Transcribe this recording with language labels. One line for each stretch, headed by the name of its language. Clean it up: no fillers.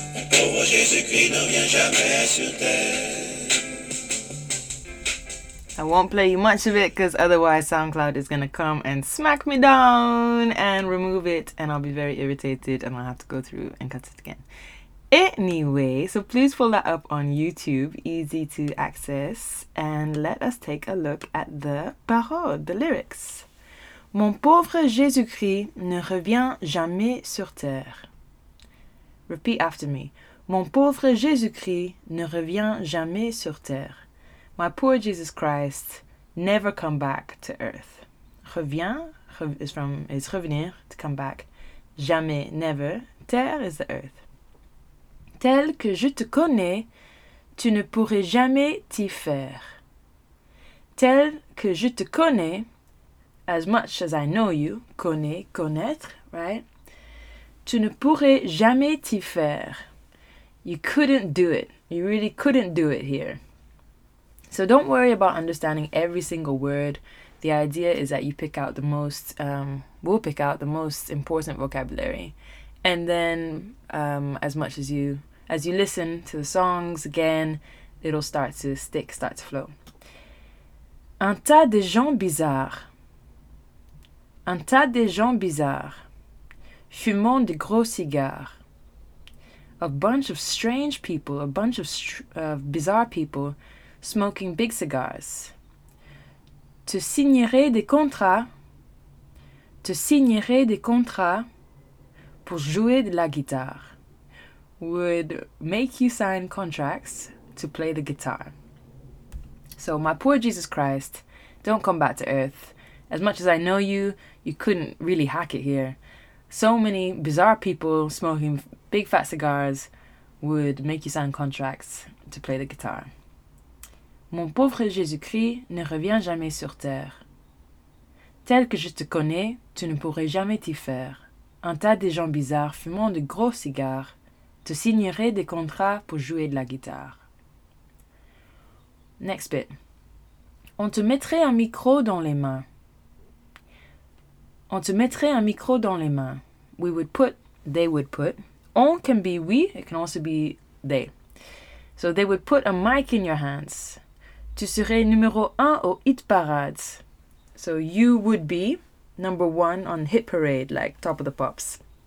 French: Pauvre Jésus-Christ ne vient jamais sur terre.
English: I won't play you much of it because otherwise SoundCloud is going to come and smack me down and remove it, and I'll be very irritated and I'll have to go through and cut it again. Anyway, so please pull that up on YouTube, easy to access, and let us take a look at the parole, the lyrics.
French: Mon pauvre Jésus-Christ ne revient jamais sur terre.
English: Repeat after me.
French: Mon pauvre Jésus-Christ ne revient jamais sur terre.
English: My poor Jesus Christ never come back to earth. Revient is revenir, to come back. Jamais, never. Terre is the earth.
French: Tel que je te connais, tu ne pourrais jamais t'y faire. Tel que je te connais,
English: as much as I know you, connais, connaître, right?
French: Tu ne pourrais jamais t'y faire.
English: You couldn't do it. You really couldn't do it here. So don't worry about understanding every single word. The idea is that you pick out the most, we'll pick out the most important vocabulary. And then as you listen to the songs again, it'll start to stick, start to flow.
French: Un tas de gens bizarres. Un tas de gens bizarres. Fumant de gros cigares.
English: A bunch of strange people, a bunch of bizarre people, smoking big cigars.
French: Te signerai des contrats. Te signerai des contrats pour jouer de la guitare.
English: Would make you sign contracts to play the guitar. So my poor Jesus Christ, don't come back to earth. As much as I know you, you couldn't really hack it here. So many bizarre people smoking big fat cigars would make you sign contracts to play the guitar.
French: Mon pauvre Jésus-Christ ne revient jamais sur terre. Tel que je te connais, tu ne pourrais jamais t'y faire. Un tas de gens bizarres fumant de gros cigares te signeraient des contrats pour jouer de la guitare.
English: Next bit.
French: On te mettrait un micro dans les mains. On te mettrait un micro dans les mains.
English: We would put, they would put. On can be we, it can also be they. So they would put a mic in your hands.
French: Tu serais numéro un au hit parade.
English: So you would be number one on hit parade, like top of the pops.